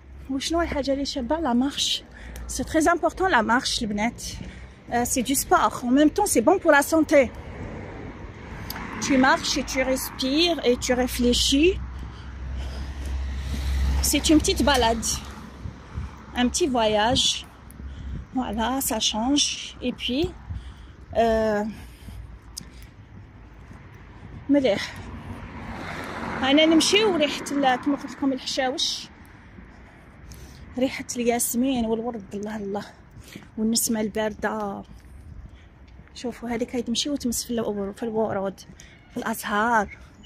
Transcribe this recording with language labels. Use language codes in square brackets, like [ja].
[ar] وشنو الحاجه اللي شابه [fr] لا مارش سي تري امبورطون لا مارش البنات سي دو سبور او ميم طون سي بون بور لا سانتي tu marches et tu respires et tu réfléchis. C'est une petite balade, un petit voyage, voilà, ça change. Et puis, [ar] مليح. أنا نمشي وريحة كما قلت لكم الحشاوش، ريحة الياسمين والورد الله الله، والنسمة الباردة. شوفوا هذيك هي تمشي وتمس في الورود، في الأزهار.